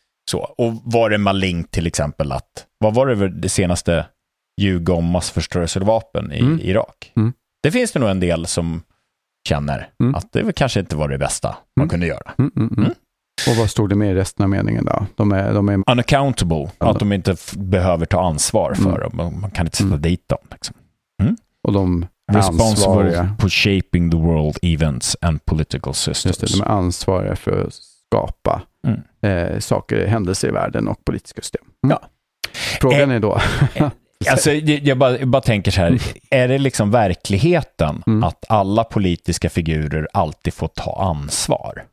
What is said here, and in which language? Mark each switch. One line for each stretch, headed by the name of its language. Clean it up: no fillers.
Swedish: Så, och var det malignt till exempel att, vad var det, det senaste ljuga om massförstörelsevapen i Irak? Mm. Det finns det nog en del som känner att det kanske inte var det bästa man kunde göra. Och vad stod det med i resten av meningen då? De är unaccountable, att de inte behöver ta ansvar för dem. Man kan inte sätta dit dem. Liksom. Och de
English: responsible for shaping the world events and political systems.
Swedish: Just det, de är ansvariga för att skapa saker, händelser i världen och politiska system. Ja. Frågan är då... alltså, jag bara tänker så här, är det liksom verkligheten att alla politiska figurer alltid får ta ansvar?